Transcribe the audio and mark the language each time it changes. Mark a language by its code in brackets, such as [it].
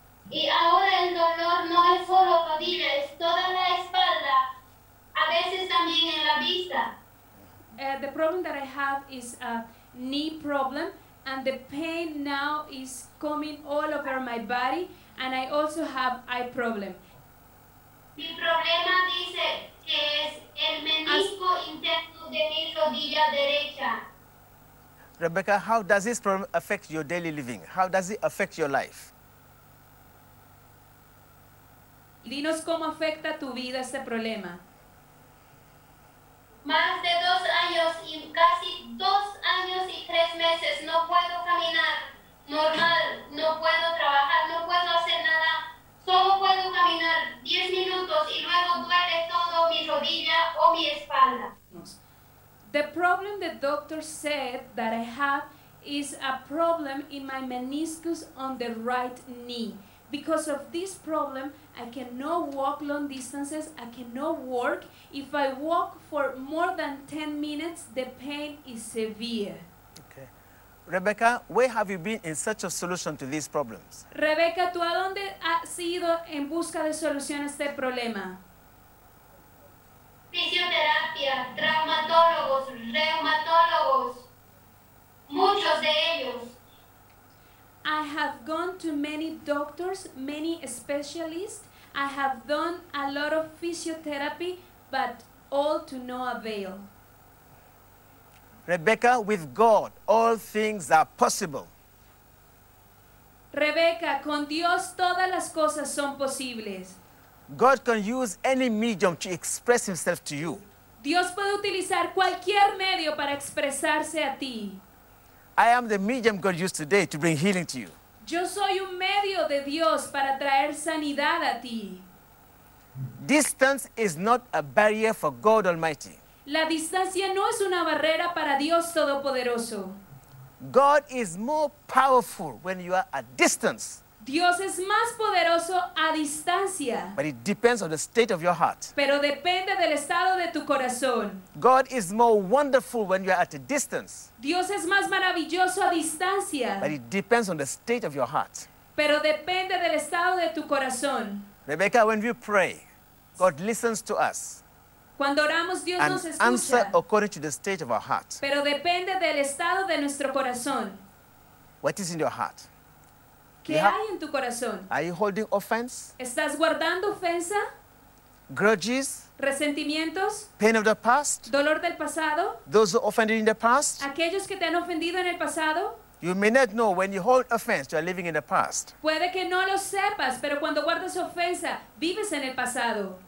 [es] Y ahora el dolor no es solo rodilla, es toda la espalda. A veces también en la vista. [en] The problem that I have is a knee problem, and the pain now is coming all over my body, and I also have eye problem. [es] Mi problema dice que es el menisco interno de mi rodilla derecha. [en] Rebecca, how does this problem affect your daily living? How does it affect your life? [es] Dinos cómo afecta tu vida este problema. Más de 2 años y casi 2 años y 3 meses no puedo caminar normal, no puedo trabajar, no puedo hacer nada, solo puedo caminar 10 minutos y luego duele todo mi rodilla o mi espalda. [en] The problem the doctor said that I have is a problem in my meniscus on the right knee. Because of this problem, I cannot walk long distances, I cannot work. If I walk for more than 10 minutes, the pain is severe. Okay. Rebecca, where have you been in search of solution to these problems? [es] Rebecca, ¿tú a dónde has ido en busca de solución a este problema? Fisioterapia, traumatólogos, reumatólogos, muchos de ellos. [en] I have gone to many doctors, many specialists. I have done a lot of physiotherapy, but all to no avail. Rebecca, with God, all things are possible. [es] Rebecca, con Dios todas las cosas son posibles. [en] God can use any medium to express himself to you. [es] Dios puede utilizar cualquier medio para expresarse a ti. [en] I am the medium God used today to bring healing to you. [es] Yo soy un medio de Dios para traer sanidad a ti. [en] Distance is not a barrier for God Almighty. [es] La distancia no es una barrera para Dios Todopoderoso. [en] God is more powerful when you are at distance. [es] Dios es más poderoso a distancia. [en] But it depends on the state of your heart. [es] Pero depende del estado de tu corazón. [en] God is more wonderful when you are at a distance. [es] Dios es más maravilloso a distancia. [en] But it depends on the state of your heart. [es] Pero depende del estado de tu corazón. [en] Rebecca, when we pray, God listens to us. [es] Cuando oramos, Dios [en] and [es] nos escucha. [en] Answer according to the state of our heart. [es] Pero depende del estado de nuestro corazón. [en] What is in your heart? [es] ¿Qué hay en tu corazón? [en] Are you holding offense? [es] ¿Estás guardando ofensa? [en] Grudges? [es] Resentimientos? [en] Pain of the past? [es] Dolor del pasado? [en] Those who offended in the past? [es] Aquellos que te han ofendido en el pasado? [en] You may not know when you hold offense, you are living in the past. [es] Puede que no lo sepas, pero cuando guardas ofensa, vives en el pasado.